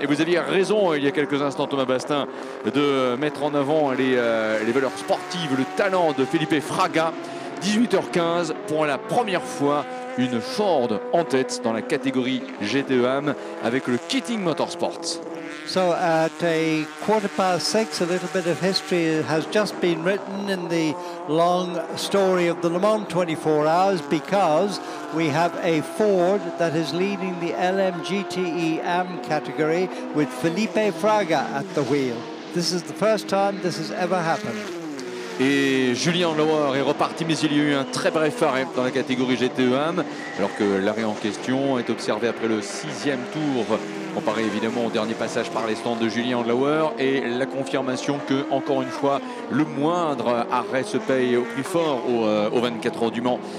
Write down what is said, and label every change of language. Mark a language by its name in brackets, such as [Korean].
[French] Et vous aviez raison il y a quelques instants, Thomas Bastin, de mettre en avant les valeurs sportives, le talent de Felipe Fraga. 18h15, pour la première fois, une Ford en tête dans la catégorie GTE AM avec le Keating Motorsport. [English] So at a quarter past six, a little bit of history has just been written in the long story of the Le Mans 24 hours, because we have a Ford that is leading the LMGTE-AM category with Felipe Fraga at the wheel. This is the first time this has ever happened. [French] Et Julien Lauer est reparti, mais il y a eu un très bref arrêt dans la catégorie GTE-AM, alors que l'arrêt en question est observé après le sixième tour. Comparé évidemment au dernier passage par les stands de Julien Lauer, et la confirmation que, encore une fois, le moindre arrêt se paye au plus fort aux 24 heures du Mans.